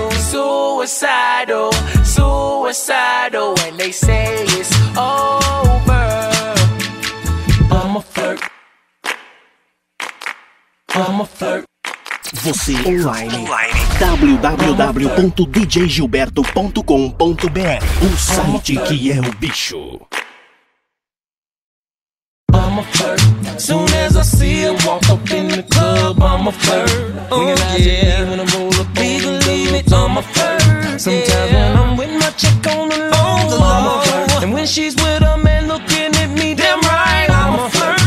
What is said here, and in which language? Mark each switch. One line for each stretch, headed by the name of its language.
English: suicidal, suicidal when they say it's over. I'm a flirt. I'm a flirt.
Portuguese: Você online, www.djgilberto.com.br, o site que é o bicho.
English: I'm a flirt. Soon as I see her walk up in the club, I'm a flirt. Oh yeah, when I roll up, believe it, I'm a flirt. Sometimes when I'm with my chick on the low, and when she's with a man looking at me, damn right, I'm a flirt.